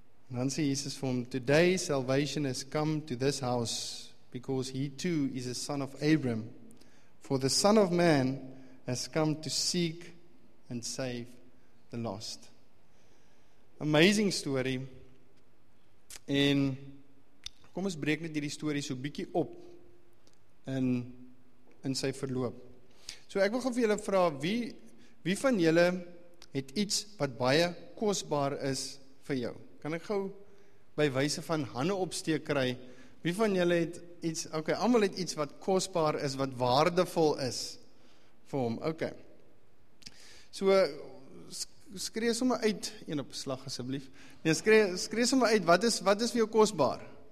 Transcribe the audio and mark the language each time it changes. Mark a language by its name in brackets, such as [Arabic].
[Afrikaans] En dan sê Jesus vir hom, [English] Today salvation has come to this house, because he too is a son of Abraham. For the son of man has come to seek and save the lost. Amazing story. [Afrikaans] En kom ons breek net hierdie storie so bietjie op in sy verloop. So ek wil gou vir julle vra, wie van julle het iets wat baie kosbaar is vir jou? Kan ek gou by wyse van hande opsteek kry? Wie van julle het iets, okay, almal het iets wat kosbaar is, wat waardevol is vir hom? Okay. So skree sommer uit, een op slag asseblief. Nee, skree sommer uit, wat is vir jou kosbaar?